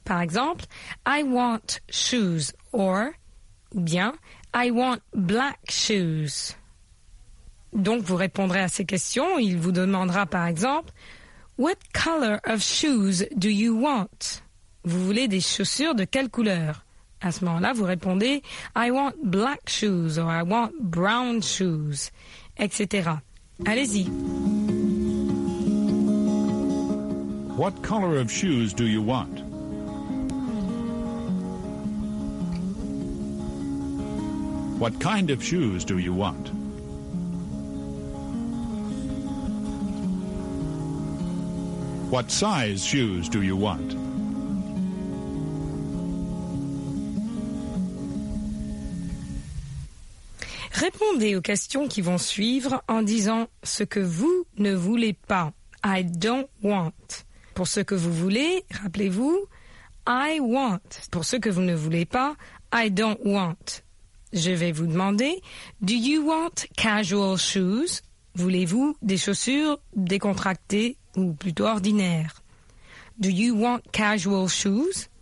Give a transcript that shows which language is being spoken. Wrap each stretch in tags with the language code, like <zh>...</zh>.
<fr>Par exemple,</fr> <en>I want shoes. Or, bien, I want black shoes.</en> <fr>Donc, vous répondrez à ces questions. Il vous demandera, par exemple,</fr> <en>What color of shoes do you want?</en> <fr>Vous voulez des chaussures de quelle couleur? À ce moment-là, vous répondez «</fr> <en>I want black shoes</en> <fr>» or «</fr> <en>I want brown shoes</en> <fr>», etc. Allez-y.</fr> <en>What color of shoes do you want? What kind of shoes do you want? What size shoes do you want?</en> <fr>Répondez aux questions qui vont suivre en disant ce que vous ne voulez pas.</fr> <en>I don't want.</en> <fr>Pour ce que vous voulez, rappelez-vous,</fr> <en>I want.</en> <fr>Pour ce que vous ne voulez pas,</fr> <en>I don't want.</en> <fr>Je vais vous demander,</fr> <en>do you want casual shoes?</en> <fr>Voulez-vous des chaussures décontractées ou plutôt ordinaires?</fr> <en>Do you want casual shoes?</en>